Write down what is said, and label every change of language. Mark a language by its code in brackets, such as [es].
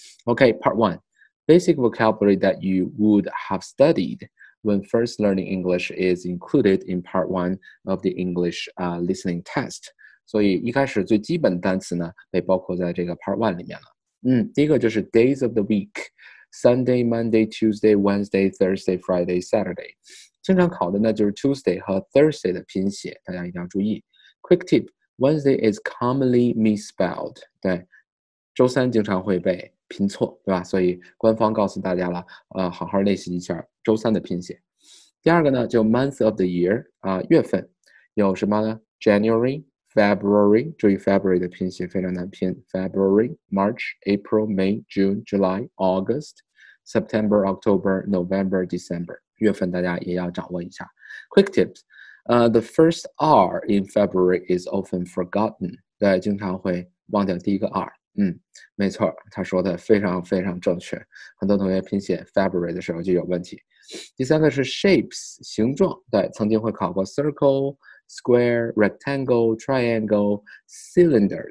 [en] OK，Part 1 Basic vocabulary that you would have studied when first learning English is included in Part 1 of the English listening test。 [zh] 所以一开始最基本的单词呢，被包括在这个 Part 1里面了。第一个就是 [en] Days of the Week， Sunday、Monday、Tuesday、Wednesday、Thursday、Friday、Saturday。 [zh] 经常考的呢就是 Tuesday 和 Thursday 的拼写，大家一定要注意。 [en] Quick tip：Wednesday is commonly misspelled。 [zh] 对，周三经常会被拼错，对吧？所以官方告诉大家了，好好练习一下周三的拼写。第二个呢，就 Month of the Year 啊、月份有什么呢？January。 [en] February， [zh] 注意 February 的拼写非常难拼。 [en] February、March、April、May、June、July、August、September、October、November、December， [zh] 月份大家也要掌握一下。 [en] Quick tips， the first R in February is often forgotten。 [zh] 对，经常会忘掉第一个 R。没错，他说的非常非常正确。很多同学拼写 February 的时候就有问题。第三个是 shapes， 形状。对，曾经会考过 [en] circle。Square, rectangle, triangle, cylinder.